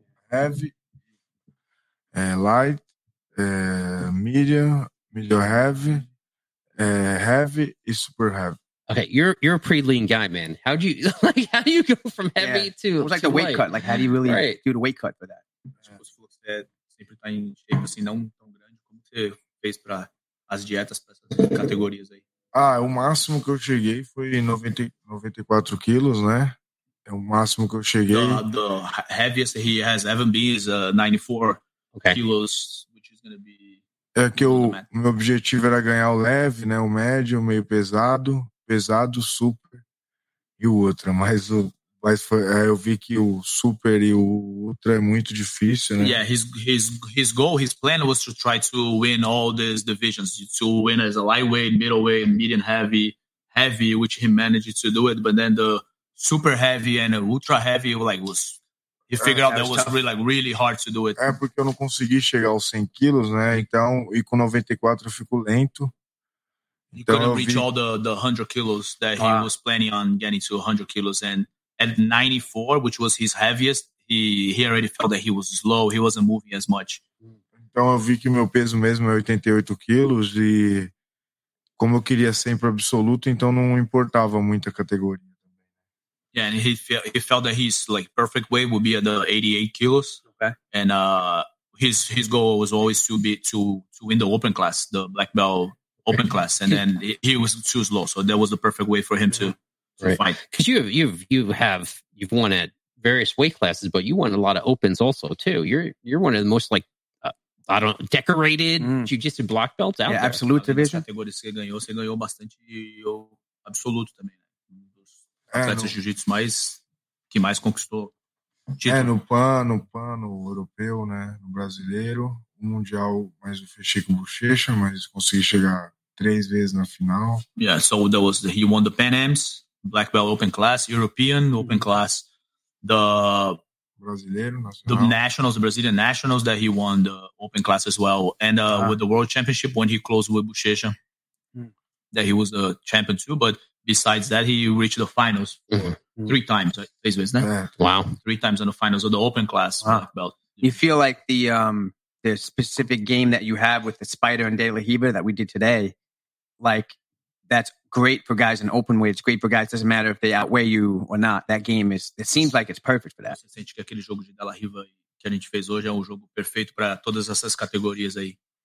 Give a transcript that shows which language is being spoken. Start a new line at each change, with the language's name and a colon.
English: Heavy, and light, medium heavy, heavy is super heavy. Okay, you're a pretty lean guy, man. How do you go from heavy to it was like the weight light. Cut. Like, how do you really do the weight cut for that?
Portuguese: Sempre tá em shape assim, não tão grande como você fez para as dietas, para essas categorias aí. Ah, o máximo que eu cheguei foi 94 quilos, né? É o máximo que eu cheguei.
English: The heaviest he has ever been is 94 kilos, which is gonna be.
Portuguese: É que o meu objetivo era ganhar o leve, né? O médio, o meio pesado, pesado, super e o ultra. Mas eu vi que o super e o ultra é muito difícil, né?
English: Yeah, his goal, his plan was to try to win all these divisions, to win as a lightweight, middleweight, medium heavy, heavy, which he managed to do it. But then the super heavy and ultra heavy, like, was he figured out that was really, like, really hard to do it.
Portuguese: É porque eu não consegui chegar aos 100 quilos, né? Então, e com 94 eu fico lento.
English: He
Portuguese: então
English: couldn't reach all the 100 kilos that he was planning on getting to 100 kilos. And at 94, which was his heaviest, he already felt that he was slow. He wasn't moving as much.
Portuguese: Então eu vi que meu peso mesmo é 88 quilos e como eu queria sempre absoluto, então não importava muita categoria.
English: Yeah, and he felt that his like perfect weight would be at the 88 kilos. Okay. And his goal was always to be to win the open class, the black belt open class, and then he was too slow, so that was the perfect way for him to fight. Because you've won at various weight classes, but you won a lot of opens also too. You're one of the most like decorated jiu-jitsu black belts out there. Yeah, absolute division.
Portuguese: Categoria que você ganhou bastante e o absoluto também. Atletas jiu-jitsu mais que mais conquistou título. É no pan, no europeu, né? No brasileiro, o mundial, mas eu fechei com bochecha, mas consegui chegar três vezes na final.
English: Yeah, so that was he won the Pan Ams, black belt open class, European open class, the
Portuguese: brasileiro, nacional.
English: The nationals, the Brazilian nationals that he won the open class as well, and with the world championship when he closed with bochecha, that he was a champion too, but. Besides that, he reached the finals three times. Basically, isn't it? Wow. Three times in the finals of the open class black belt. You feel like the specific game that you have with the Spider and De La Hiba that we did today, like that's great for guys in open weight. It's great for guys. It doesn't matter if they outweigh you or not. That game is, it seems like it's perfect for that.
Portuguese: Você sente que aquele jogo de De La Hiba que a gente fez hoje é um jogo perfeito para todas essas categorias aí.